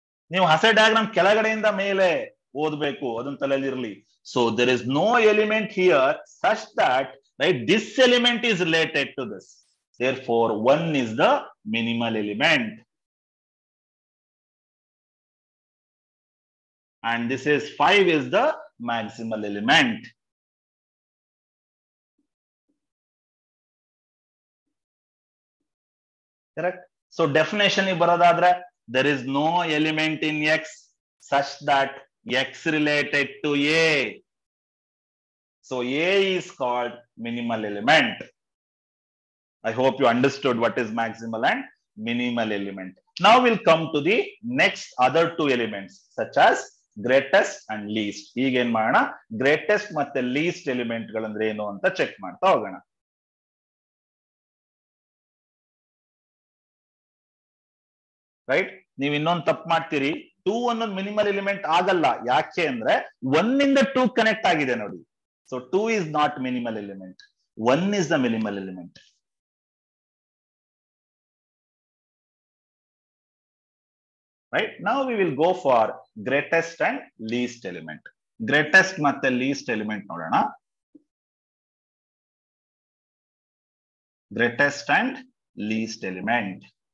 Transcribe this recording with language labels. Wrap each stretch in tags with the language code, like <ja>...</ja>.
<kn>ನೀವು ಹಸೆ ಡಯಾಗ್ರಾಮ್ ಕೆಳಗಡೆಯಿಂದ ಮೇಲೆ ಓದ್ಬೇಕು, ಅದನ್ನ ತಲೆಯಲ್ಲಿರಲಿ.</kn> <en>So there is no element here such that right this element is related to this, therefore 1 is the minimal element. And this is 5 is the maximal element. Correct? So definition ಈ ಬರೋದಾದ್ರೆ there is no element in X such that X related to A. So A is called minimal element. I hope you understood what is maximal and minimal element. Now we'll come to the next other two elements such as greatest and least.</en> <kn>ಈಗ ಏನ್ ಮಾಡೋಣ, greatest ಮತ್ತೆ list element ಗಳಂದ್ರೆ ಏನು ಅಂತ check ಮಾಡ್ತಾ ಹೋಗೋಣ. Right, ನೀವು ಇನ್ನೊಂದು ತಪ್ಪು ಮಾಡ್ತೀರಿ. 2 ಅನ್ನೋದು ಮಿನಿಮಲ್ ಎಲಿಮೆಂಟ್ ಆಗಲ್ಲ.</kn> <en>ಯಾಕೆ ಅಂದ್ರೆ 1 ಇಂದ 2 ಕನೆಕ್ಟ್ ಆಗಿದೆ ನೋಡಿ. So 2 is not minimal element, 1 is the minimal element. Right, now we will go for greatest and least element. Greatest matte least element nodana, greatest and least element.</en>